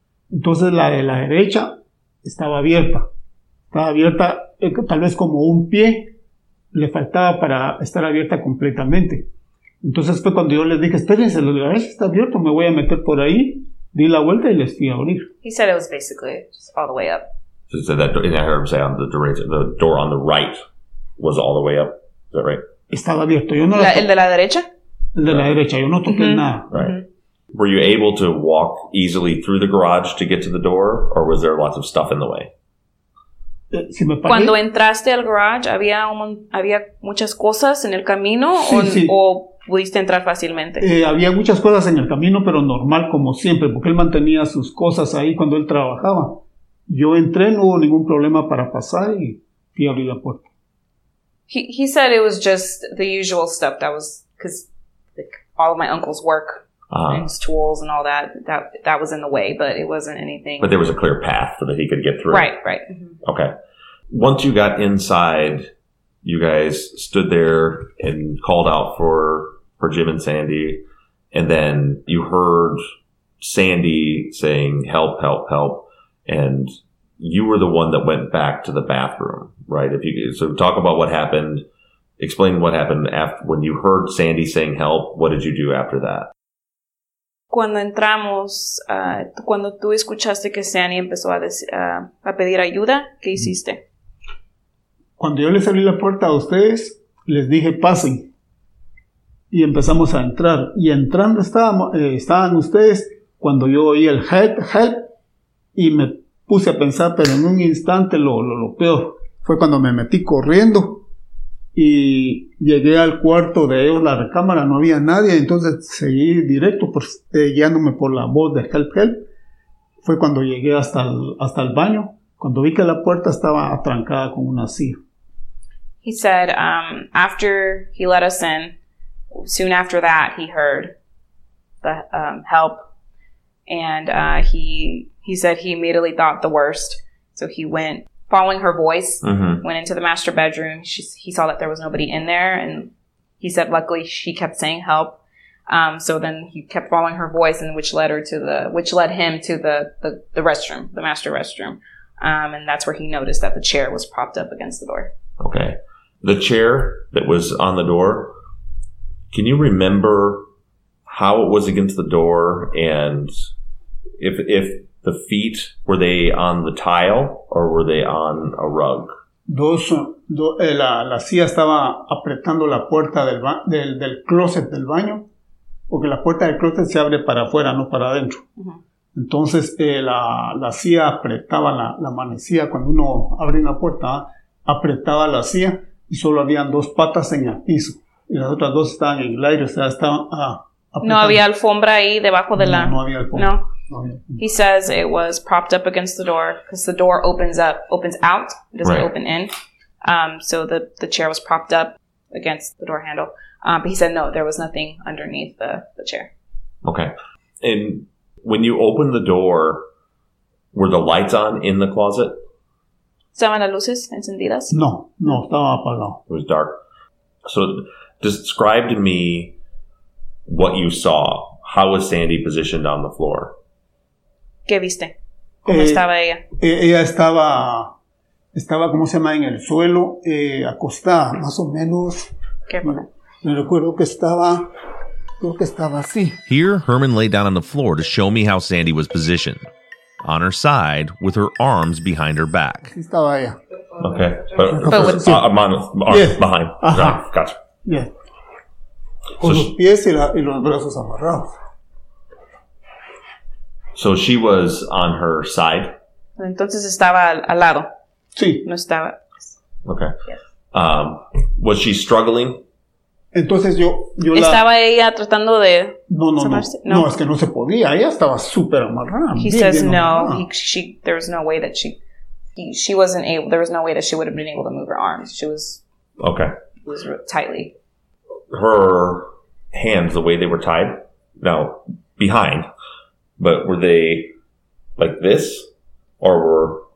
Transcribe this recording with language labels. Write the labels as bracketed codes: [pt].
[es] Entonces la de la derecha estaba abierta. Estaba abierta tal vez como un pie, le faltaba para estar abierta completamente. Entonces fue cuando yo les dije, espérense, el garage está abierto, me voy a meter por ahí. Di la vuelta y les fui a abrir. [en] He said it was basically just all the way up. So he said that, and I heard him say on the door on the right was all the way up. Is that right? [es] Estaba abierto. Yo no ¿El de la derecha? El de [en] right. [es] la derecha. Yo no toqué mm-hmm. nada. [en] Right. Mm-hmm. Were you able to walk easily through the garage to get to the door, or was there lots of stuff in the way? [es] Si me paré. Cuando entraste al garage, había muchas cosas en el camino, sí, o pudiste entrar fácilmente. Había muchas cosas en el camino, pero normal como siempre, porque él mantenía sus cosas ahí cuando él trabajaba. Yo entré, no hubo ningún problema para pasar y fui a abrir la puerta. [en] He said it was just the usual stuff that was, because like, all of my uncle's work, his tools and all that was in the way, but it wasn't anything. But there was a clear path so that he could get through. Right. Mm-hmm. Okay. Once you got inside, you guys stood there and called out for Jim and Sandy, and then you heard Sandy saying, help, and you were the one that went back to the bathroom, right? So talk about what happened, explain what happened after when you heard Sandy saying help, what did you do after that? [es] Cuando entramos, cuando tú escuchaste que Sandy empezó a pedir ayuda, ¿qué hiciste? Cuando yo les abrí la puerta a ustedes, les dije, pasen. Y empezamos a entrar. Y entrando estaban ustedes cuando yo oí el help. Y me puse a pensar, pero en un instante lo peor fue cuando me metí corriendo. Y llegué al cuarto de ellos, la recámara, no había nadie. Entonces seguí directo, guiándome por la voz de help. Fue cuando llegué hasta el baño. Cuando vi que la puerta estaba atrancada con una silla. [en] He said, after he let us in, soon after that, he heard the help. And he said he immediately thought the worst. So he went, following her voice, went into the master bedroom. He saw that there was nobody in there. And he said, luckily, she kept saying help. So then he kept following her voice, and which led him to the restroom, the master restroom. And that's where he noticed that the chair was propped up against the door. Okay. The chair that was on the door, can you remember how it was against the door, and if the feet, were they on the tile or were they on a rug? [es] La silla estaba apretando la puerta del closet del baño, porque la puerta del closet se abre para afuera, no para adentro. Entonces, la silla apretaba la manecilla cuando uno abre una puerta, apretaba la silla y solo habían dos patas en el piso. Y las otras dos estaban en el aire, o sea, estaban apretando. No había alfombra ahí debajo de la... No había alfombra. No. [en] He says it was propped up against the door because the door opens out. It doesn't open in. So the chair was propped up against the door handle. But he said, no, there was nothing underneath the chair. Okay. And when you opened the door, were the lights on in the closet? [es] ¿Estaban las luces encendidas? No, estaba apagado. [en] It was dark. So describe to me what you saw. How was Sandy positioned on the floor? [es] ¿Qué viste? ¿Cómo estaba ella? Ella estaba, ¿cómo se llama? En el suelo, acostada, más o menos. ¿Qué? Me recuerdo que estaba... Creo que estaba así. [en] Here, Herman lay down on the floor to show me how Sandy was positioned. On her side, with her arms behind her back. [es] Sí, estaba ella. [en] Okay. Behind. Ajá. Gotcha. Yeah. [es] Con los pies y los brazos amarrados. [en] So she was on her side? [es] Entonces estaba al lado. Sí. No estaba. [en] Okay. Yeah. Was she struggling? [es] Entonces yo ¿Estaba ella tratando de... No, es que no se podía. Ella estaba súper amarrada. [en] There was no way that she wasn't able... There was no way that she would have been able to move her arms. She was... Okay. Was tightly. Her hands, the way they were tied? No, behind. But were they like this, or were...